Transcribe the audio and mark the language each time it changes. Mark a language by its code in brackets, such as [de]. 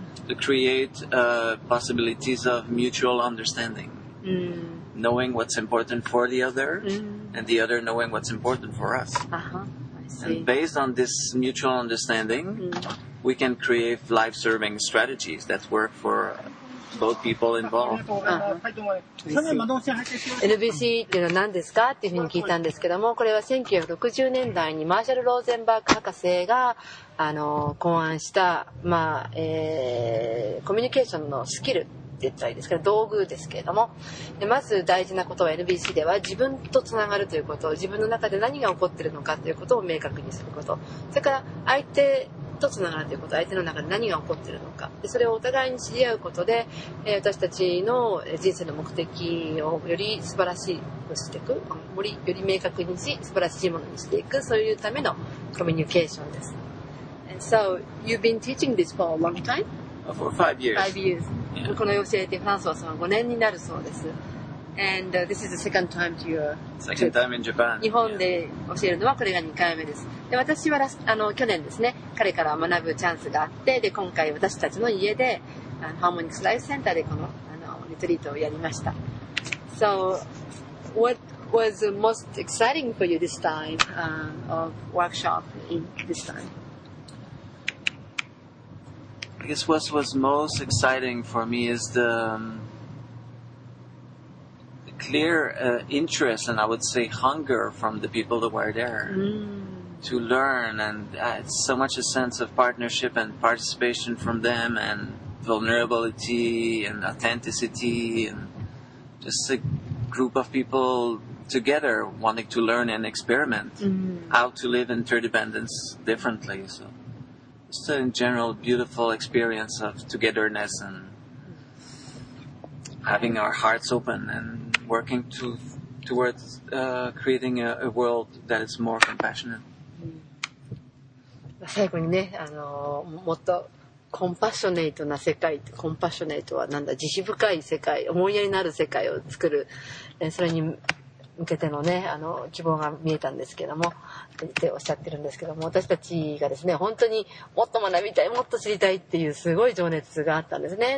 [en] To create possibilities of mutual understanding, knowing what's important for the other, and the other knowing what's important for us. And based on this mutual understanding, we can create life-serving strategies that work for both people involved. [ja] NBC っていうのは何ですかっていうふうに聞いたんですけども、これは1960年代にマーシャル・ローゼンバーク博士が考案した、まあコミュニケーションのスキルって言ったらいいですけど道具ですけれども、でまず大事なことは NBC では自分とつながるということ、自分の中で何が起こっているのかということを明確にすること、それから相手とつながるということ、相手の中で何が起こっているのか、でそれをお互いに知り合うことで、私たちの人生の目的をより素晴らしいとしていく、より明確にし素晴らしいものにしていく、そういうためのコミュニケーションです。 [en] So you've been teaching this for a long time? For 5 years. 5 years. [ja] この教えてフランソワさんは5年になるそうです。 [en] And this is the second time to your second time in Japan. [ja] 日本で教えるのはこれが2回目です。で私は去年ですね、彼から学ぶチャンスがあって、で今回私たちの家でハーモニクスライフセンターでこのリトリートをやりました。 [en] So what was most exciting for you this time of workshop in this time? I guess what was most exciting for me is the clear interest and I would say hunger from the people that were there to learn, and it's so much a sense of partnership and participation from them, and vulnerability and authenticity, and just a group of people together wanting to learn and experiment how to live interdependence differently. So. Just in general, beautiful experience of togetherness and having our hearts open and working towards creating a world that is more compassionate. [ja] 最後にね、もっとコンパッショネイトな世界、コンパッショネイトはなんだ、慈悲深い世界、思いやりのある世界を作る、それに向けてのね、希望が見えたんですけども、っておっしゃってるんですけども、私たちがですね、本当にもっと学びたい、もっと知りたいっていうすごい情熱があったんですね。